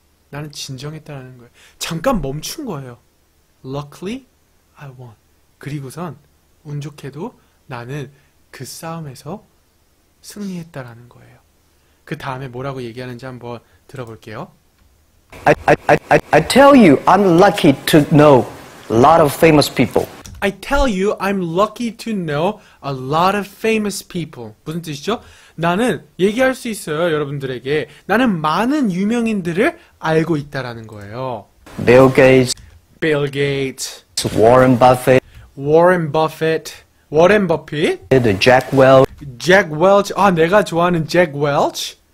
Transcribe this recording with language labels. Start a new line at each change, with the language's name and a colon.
Korean: 나는 진정했다라는 거예요. 잠깐 멈춘 거예요.
English: Luckily, I won.
Korean: 그리고선 운 좋게도 나는 그 싸움에서 승리했다라는 거예요. 그 다음에 뭐라고 얘기하는지 한번 들어볼게요.
English: I tell you, I'm lucky to know a lot of famous people. I tell you, I'm lucky to know a lot of famous people.
Korean: 무슨 뜻이죠? 나는 얘기할 수 있어요, 여러분들에게. 나는 많은 유명인들을 알고 있다라는 거예요.
English: Bill Gates. Bill Gates. Warren Buffett. Warren Buffett. Warren Buffett. The Jack Welch.
Korean: Jack Welch. 아, 내가 좋아하는 Jack Welch.